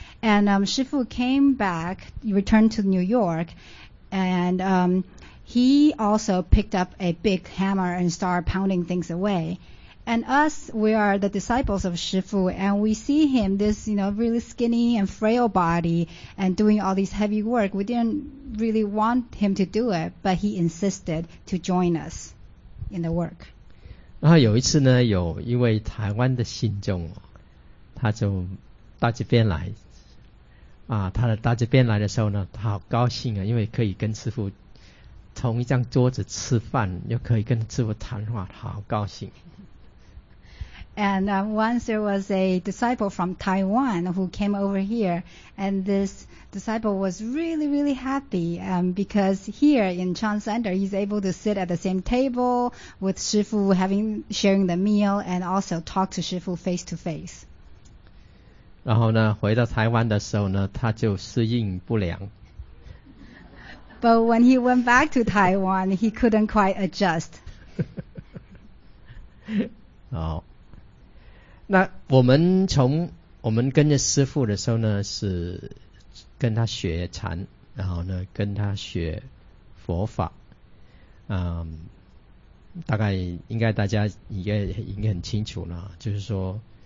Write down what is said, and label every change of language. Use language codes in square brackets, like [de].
[en] And Shifu came back, returned to New York, and he also picked up a big hammer and started pounding things away. And us, we are the disciples of Shifu, and we see him, this, you know, really skinny and frail body, and doing all this heavy work. We didn't really want him to do it, but he insisted to join us in the work. [zh] 然后有一次呢，有一位台湾的信众，他就到这边来，他到这边来的时候呢，他好高兴啊，因为可以跟师父同一张桌子吃饭，又可以跟师父谈话，好高兴。 [en] And once there was a disciple from Taiwan who came over here, and this disciple was really, really happy because here in Chan Center, he's able to sit at the same table with Shifu, sharing the meal, and also talk to Shifu face to face. [zh] 然后呢，回到台湾的时候呢，他就适应不良。 [en] But when he went back to Taiwan, he couldn't quite adjust. [zh] 好。那我们跟着师父的时候呢，是跟他学禅，然后呢跟他学佛法，大概应该大家应该很清楚了，就是说